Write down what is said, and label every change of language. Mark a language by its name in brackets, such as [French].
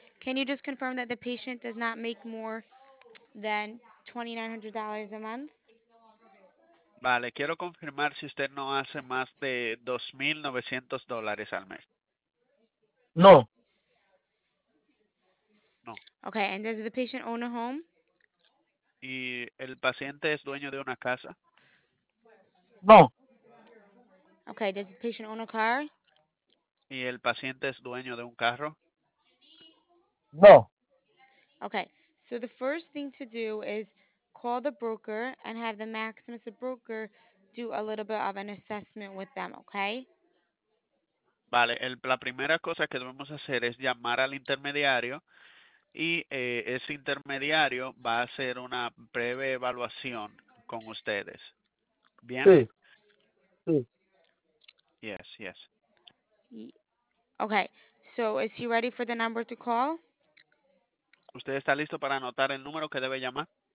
[English] Can you just confirm that the patient does not make more than $2,900 a month? [Spanish] Vale, quiero confirmar si usted no hace más de $2,900 al mes. No. [English] No. Okay, and does the patient own a home? [Spanish] ¿Y el paciente es dueño de una casa? No. [English] Okay, does the patient own a car? [Spanish] ¿Y el paciente es dueño de un carro? No. [English] Okay, so the first thing to do is call the broker and have the Maximus broker do a little bit of an assessment with them, okay? [Spanish] Vale, la primera cosa que debemos hacer es llamar al intermediario y ese intermediario va a hacer una breve evaluación con ustedes. ¿Bien? Sí. Sí. [English] Yes, yes. Okay, so is he ready for the number to call? [Spanish] ¿Usted está listo para anotar el número que debe llamar?